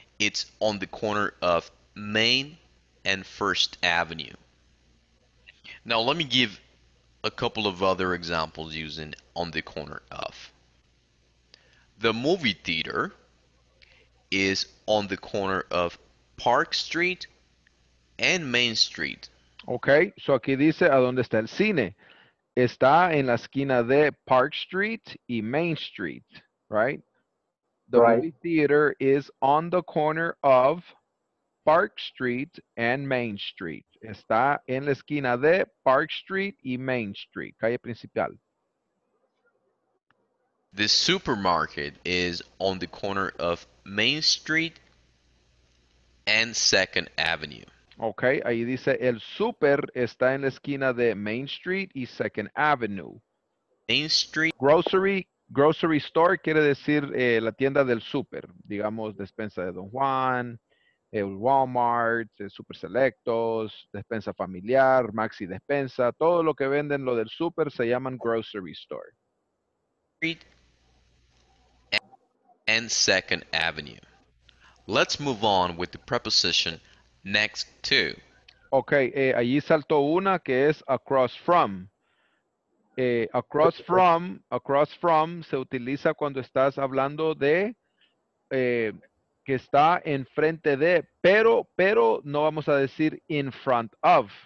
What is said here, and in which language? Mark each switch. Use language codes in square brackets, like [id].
[en] It's on the corner of Main and First Avenue. Now, let me give a couple of other examples using on the corner of. The movie theater is on the corner of Park Street and Main Street. [es] Okay, so aquí dice, ¿a dónde está el cine? Está en la esquina de Park Street y Main Street, right? The [en] right. Movie theater is on the corner of Park Street and Main Street. [es] Está en la esquina de Park Street y Main Street, calle principal. [en] The supermarket is on the corner of Main Street and 2nd Avenue. [es] Okay, ahí dice el super está en la esquina de Main Street y 2nd Avenue. [en] Main Street. [es] Grocery store quiere decir la tienda del super. Digamos, despensa de Don Juan, el Walmart, el Super Selectos, despensa familiar, Maxi Despensa. Todo lo que venden lo del super se llaman grocery store. [en] Street and 2nd Avenue. Let's move on with the preposition next to. [es] Okay, allí saltó una que es across from. Across from se utiliza cuando estás hablando de que está enfrente de, pero no vamos a decir in front of.